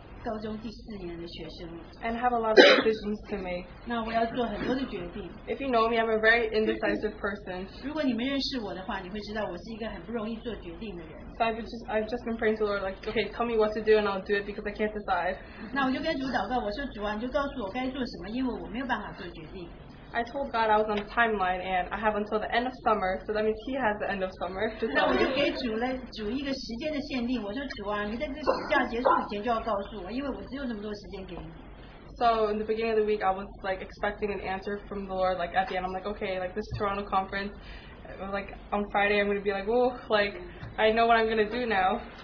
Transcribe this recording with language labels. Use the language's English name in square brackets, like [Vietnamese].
[Chinese] 这个秋天我就成为高中第四年的学生。 [English] And have a lot of decisions to make. [Chinese] 那我要做很多的决定。 [English] If you know me, I'm a very indecisive person. [Chinese] 如果你们认识我的话，你会知道我是一个很不容易做决定的人。 [English] So I've just been praying to the Lord, like, okay, tell me what to do, and I'll do it because I can't decide. [Chinese] 那我就跟主祷告，我说主啊，你就告诉我该做什么，因为我没有办法做决定。 [English] I told God I was on the timeline and I have until the end of summer, so that means He has the end of summer. So in the beginning of the week, I was like expecting an answer from the Lord, like at the end, I'm like, okay, like this Toronto conference, like on Friday, I'm going to be like, oh, like I know what I'm going to do now.